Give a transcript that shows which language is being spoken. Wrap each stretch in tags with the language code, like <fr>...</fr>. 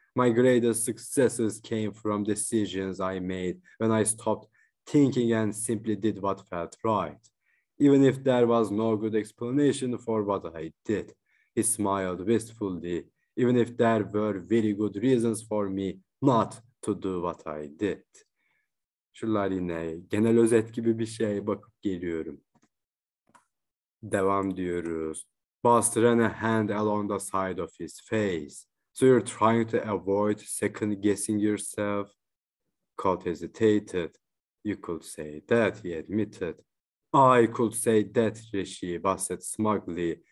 <en>My greatest successes came from decisions I made when I stopped thinking and simply did what felt right. Even if there was no good explanation for what I did, he smiled wistfully. Even if there were very good reasons for me not to do what I did.</en> <tr>Şunlar yine genel özet gibi bir şey, bakıp geliyorum. Devam diyoruz.</tr> <en>Buzz ran a hand along the side of his face. So you're trying to avoid second guessing yourself? Cot hesitated. You could say that, he admitted. I could say that, Rishi, Buzz said smugly.</en>